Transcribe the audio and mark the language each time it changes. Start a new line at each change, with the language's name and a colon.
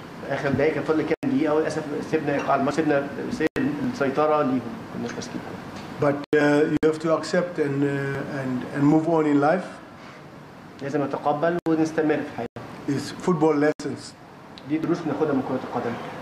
Arabic: آخر دقيقة فضل كام دقيقة وللأسف سيبنا إيقاع الماتش سيبنا السيطرة ليهم كناش ماسكين.
English: But you have to accept and move on in life.
Arabic: لازم نتقبل ونستمر في الحياة.
English: It's football lessons.
Arabic: دي دروس بناخدها من كرة القدم.